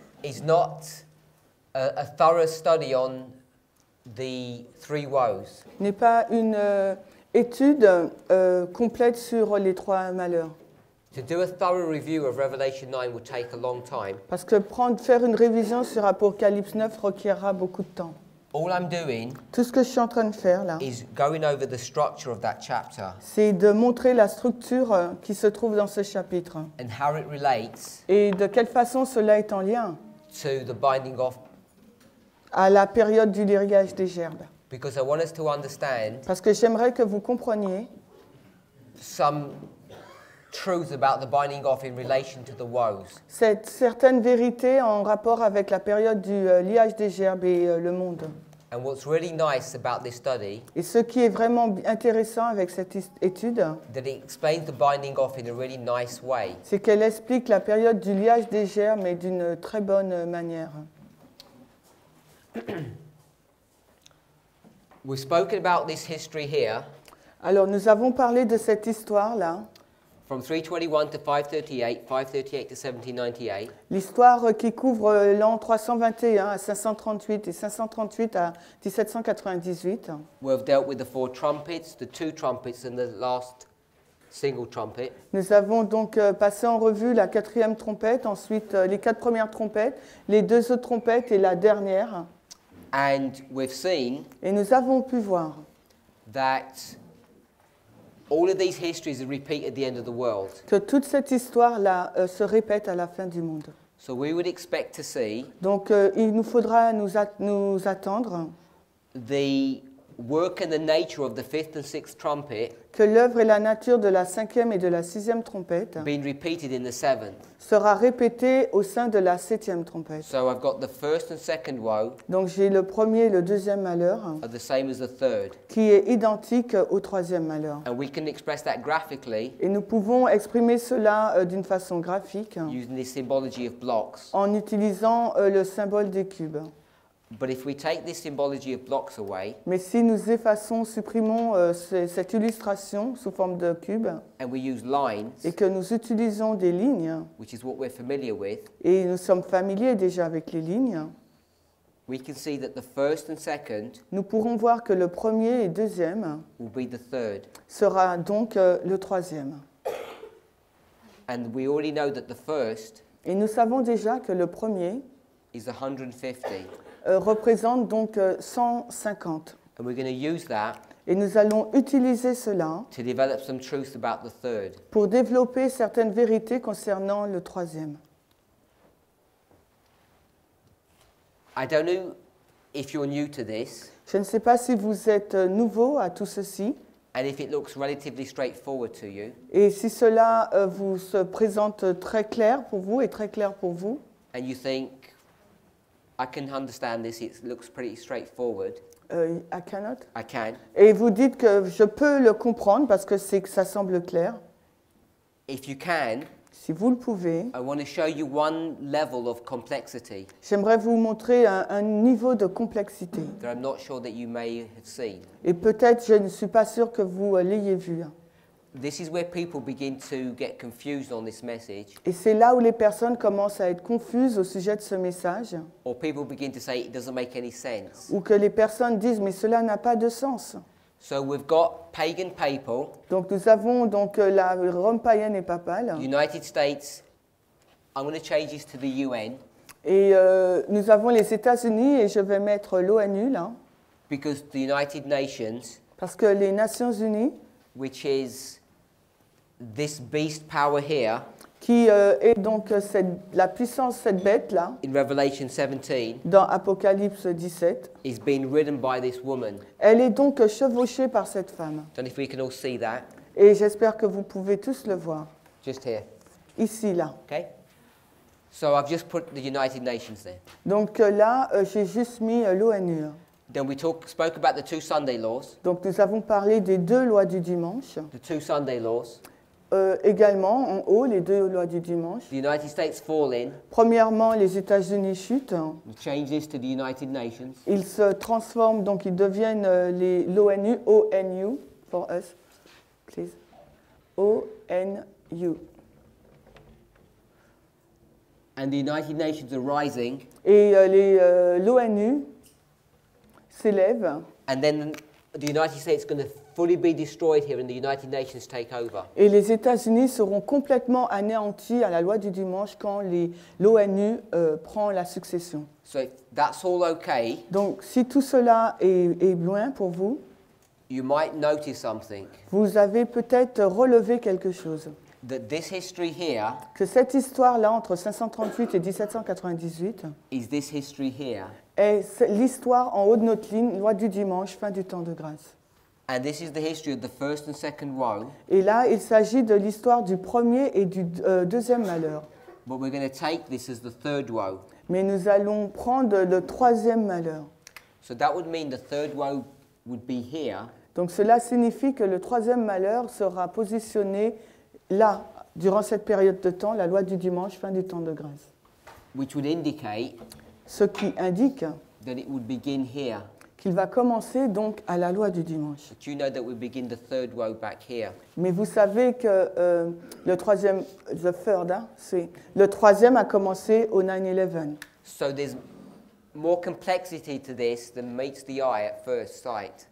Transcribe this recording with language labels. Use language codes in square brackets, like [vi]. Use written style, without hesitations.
[en] Is not a thorough study on the three woes. [fr] N'est pas une étude complète sur les trois malheurs. [en] To do a thorough review of Revelation 9 would take a long time. [fr] Parce que faire une révision sur Apocalypse 9 requerra beaucoup de temps. [en] All I'm doing. [fr] Tout ce que je suis en train de faire là. [en] Is going over the structure of that chapter. [fr] C'est de montrer la structure qui se trouve dans ce chapitre. [en] And how it relates. [fr] Et de quelle façon cela est en lien. [en] To the binding off. [fr] À la période du déréglage des gerbes. [en] Because I want us to understand. [fr] Parce que j'aimerais que vous compreniez. [en] Some. Truth about the binding off in relation to the woes. [fr] Cette certaine vérité en rapport avec la période du liage des gerbes et le monde. [en] And what's really nice about this study. [fr] Et ce qui est vraiment intéressant avec cette étude. [en] That it explains the binding off in a really nice way. [fr] C'est qu'elle explique la période du liage des gerbes mais d'une très bonne manière. [en] We've spoken about this history here. [fr] Alors nous avons parlé de cette histoire là. [en] From 321 to 538, 538 to 1798. [fr] L'histoire qui couvre l'an 321 à 538 et 538 à 1798. [en] We've dealt with the four trumpets, the two trumpets, and the last single trumpet. [fr] Nous avons donc passé en revue la quatrième trompette, ensuite les quatre premières trompettes, les deux autres trompettes et la dernière. [en] And we've seen. [fr] Et nous avons pu voir. [en] That. All of these histories repeat at the end of the world. [fr] Que toute cette histoire là se répète à la fin du monde. [en] So we would expect to see. [fr] Donc il nous faudra nous attendre. [en] The work and the nature of the fifth and sixth trumpet. [fr] Que l'œuvre et la nature de la cinquième et de la sixième trompette. [en] Being repeated in the seventh. [fr] Sera répétée au sein de la septième trompette. [en] So I've got the first and second woe. [fr] Donc j'ai le premier et le deuxième malheur. [en] Are the same as the third. [fr] Qui est identique au troisième malheur. [en] And we can express that graphically. [fr] Et nous pouvons exprimer cela d'une façon graphique. [en] Using the symbology of blocks. [fr] En utilisant le symbole des cubes. [en] But if we take this symbology of blocks away, [fr] mais si nous effaçons, supprimons cette illustration sous forme de cube, [en] and we use lines, [fr] et que nous utilisons des lignes, [en] which is what we're familiar with, [fr] et nous sommes familiers déjà avec les lignes, [en] we can see that the first and second, [fr] nous pourrons voir que le premier et deuxième, [en] will be the third, [fr] sera donc le troisième. [en] And we already know that the first, [fr] et nous savons déjà que le premier, [en] is 150. [fr] Représente donc 150. [en] And we're going to use that. [fr] Et nous allons utiliser cela. [en] To develop some truth about the third. [fr] Pour développer certaines vérités concernant le troisième. [en] I don't know if you're new to this. [fr] Je ne sais pas si vous êtes nouveau à tout ceci. [en] And if it looks relatively straightforward to you. [fr] Et si cela vous se présente très clair pour vous et très clair pour vous. [en] And you think. I can understand this. It looks pretty straightforward. I cannot. I can. [fr] Et vous dites que je peux le comprendre parce que c'est que ça semble clair. [en] If you can. [fr] Si vous le pouvez. [en] I want to show you one level of complexity. [fr] J'aimerais vous montrer un niveau de complexité. [en] That I'm not sure that you may have seen. [fr] Et peut-être je ne suis pas sûr que vous l'ayez vu. [en] This is where people begin to get confused on this message. [fr] Et c'est là où les personnes commencent à être confuses au sujet de ce message. [en] Or people begin to say it doesn't make any sense. [fr] Ou que les personnes disent mais cela n'a pas de sens. [en] So we've got pagan papal. [fr] Donc nous avons donc la Rome païenne et papale. [en] United States. I'm going to change this to the UN. [fr] Et nous avons les États-Unis et je vais mettre l'ONU là. [en] Because the United Nations. [fr] Parce que les Nations Unies. [en] Which is this beast power here? [fr] Qui est donc la puissance cette bête là? [en] In Revelation 17. [fr] Dans Apocalypse 17. [en] Is being ridden by this woman. [fr] Elle est donc chevauchée par cette femme. [en] I don't know if we can all see that. [fr] Et j'espère que vous pouvez tous le voir. [en] Just here. [fr] Ici là. [en] Okay. So I've just put the United Nations there. [fr] Donc là, j'ai juste mis l'ONU. [en] Then we spoke about the two Sunday laws. [fr] Donc nous avons parlé des deux lois du dimanche. [en] The two Sunday laws. [fr] Également, en haut, les deux lois du dimanche. [en] The United States falling. [fr] Premièrement, les États-Unis chutent. [en] The changes to the United Nations. [fr] Ils se transforment, donc ils deviennent les, l'ONU, O-N-U, [en] for us, please. [fr] O-N-U. [en] And the United Nations are rising. [fr] Et l'ONU s'élève. [en] And then the United States is going to fully be destroyed here and the United Nations take over. [fr] Et les États-Unis seront complètement anéantis à la loi du dimanche quand l'ONU prend la succession. [en] So that's all okay. [fr] Donc si tout cela est loin pour vous, [en] you might notice something. [fr] Vous avez peut-être relevé quelque chose. [en] That this history here, [fr] que cette histoire-là entre 538 et 1798, [en] is this history here. [fr] Est l'histoire en haut de notre ligne, loi du dimanche, fin du temps de grâce. [en] And this is the history of the first and second woe. [fr] Et là, il s'agit de l'histoire du premier et du deuxième malheur. [en] But we're going to take this as the third woe. [fr] Mais nous allons prendre le troisième malheur. [en] So that would mean the third woe would be here. [fr] Donc cela signifie que le troisième malheur sera positionné là, durant cette période de temps, la loi du dimanche, fin du temps de grâce. [en] Which would indicate [fr] ce qui indique [en] that it would begin here. [fr] Qu'il va commencer donc à la loi du dimanche. [en] But you know that we begin the third woe back here. [fr] Mais vous savez que le troisième, [en] the third, [fr] hein, c'est le troisième a commencé au 9/11. [en] So there's more complexity to this than meets the eye at first sight.